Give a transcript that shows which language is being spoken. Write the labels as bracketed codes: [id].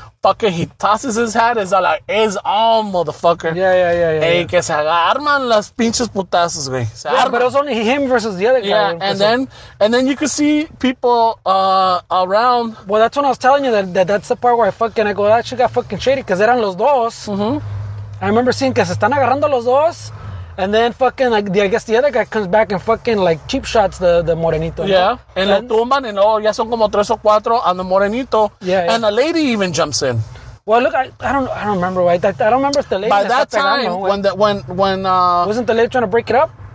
[en] fucking, he tosses his hat. It's all like, it's on, motherfucker. Yeah. [es] Que se arman las pinches putazos, güey. [en] But it was only him versus the other guy. Yeah, and then you could see people around. Well, that's when I was telling you that's the part where I go, that shit got fucking shady, because [es] eran los dos. [en] Mm-hmm. I remember seeing [es] que se están agarrando los dos. [en] And then fucking, like, I guess the other guy comes back and fucking, like, cheap shots the morenito. [es] Yeah. No? And lo tumban, and oh, ya son como tres o cuatro [en] on the morenito. Yeah. And a lady even jumps in. Well, look, I don't remember, right? I don't remember if the lady... By that time, when wasn't the lady trying to break it up?